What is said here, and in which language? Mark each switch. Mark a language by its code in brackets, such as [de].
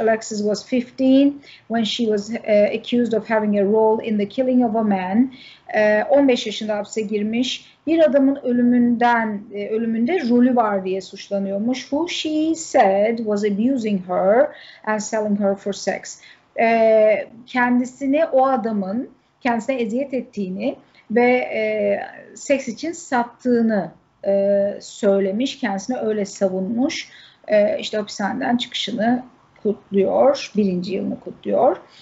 [en] Alexis was 15 when she was accused of having a role in the killing of a man. [tr] 15 yaşında hapse girmiş, bir adamın ölümünde rolü var diye suçlanıyormuş. [en] Who she said was abusing her and selling her for sex. [tr] Kendisini, o adamın kendisine eziyet ettiğini ve seks için sattığını söylemiş, kendisine öyle savunmuş. İşte hapishaneden çıkışını kutluyor, birinci yılını kutluyor.